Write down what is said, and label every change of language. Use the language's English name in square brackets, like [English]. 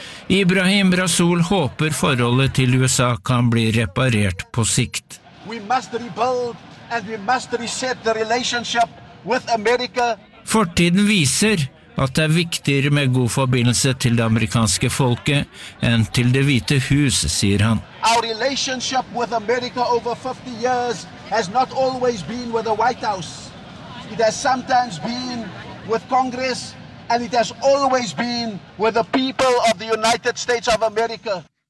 [Norwegian] Ibrahim Rasool håper forholdet til USA kan bli reparert på sikt. [English] We must rebuild and we must reset the relationship with America. [Norwegian] Fortiden viser at det viktigere med god forbindelse til det amerikanske folket enn til det hvite hus, sier han. [English] Our relationship with America over 50 years has not always been with the White House. It has sometimes been with Congress, and it has always been with the people of the United States of America.